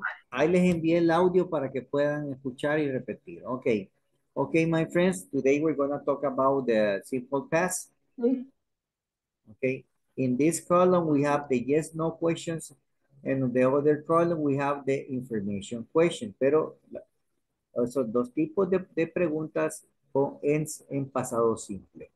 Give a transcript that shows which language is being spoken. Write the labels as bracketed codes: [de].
[es] Ahí les envié el audio para que puedan escuchar y repetir. Okay. [en] Okay, my friends, today we're going to talk about the simple past. Okay. In this column, we have the yes, no questions. And in the other column, we have the information question. [es] Pero son dos tipos de preguntas en pasado simple.